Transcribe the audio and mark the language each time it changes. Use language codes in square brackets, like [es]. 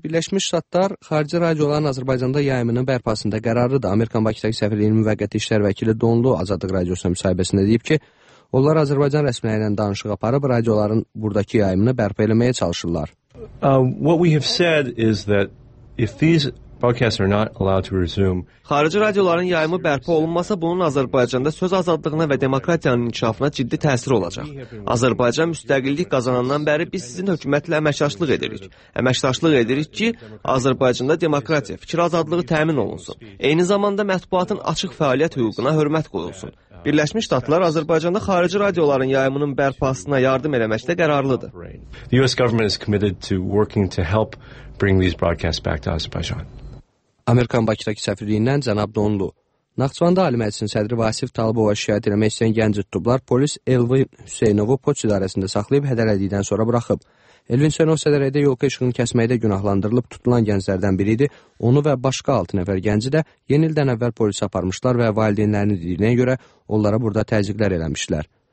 [az] Birləşmiş Ştatlar xarici radioların Azərbaycanda yayımının bərpasında qərarlıdır. Amerikan Bakıdakı səfirliyinin müvəqqəti işlər vəkili Donlu Azadlıq Radiosuna müsahibəsində deyib ki, onlar Azərbaycan rəsmiləri ilə danışıq aparıb, radioların buradakı yayımını bərpa eləməyə çalışırlar. [en] What we have said is that if these podcasts are not allowed to resume. [az] Xarici radioların yayımı bərpa olunmasa bunun Azərbaycanda söz azadlığına və demokratiyanın inkişafına ciddi təsir olacaq. Azərbaycan müstəqillik qazanandan bəri biz sizin hökumətlə əməkdaşlıq edirik. Əməkdaşlıq edirik ki, Azərbaycanda demokratiya, fikir azadlığı təmin olunsun. Eyni zamanda mətbuatın açıq fəaliyyət hüququna hörmət qoyulsun. Birləşmiş Ştatlar Azərbaycanda xarici radioların yayımının bərpasına yardım etməkdə qərarlıdır. [en] The US government is committed to working to help bring these broadcasts back to Azerbaijan. [az] Amerikan Bakıdakı səfirliyindən cənab Donlu. Naxçıvanda Ali Məclisin sədri Vasif Talıbova şikayət eləmək istəyən gənc tutublar polis Elvin Hüseynovu poçt idarəsində saxlayıb hədələdikdən sonra buraxıb. Elvin Hüseynov sədərədə yol keçirin kəsməkdə günahlandırılıb tutulan gənclərdən biri idi. Onu və başqa 6 nəfər gənci də yeni ildən əvvəl polisə aparmışlar və valideynlərini dediyinə görə onlara burada təzyiqlər eləmişlər.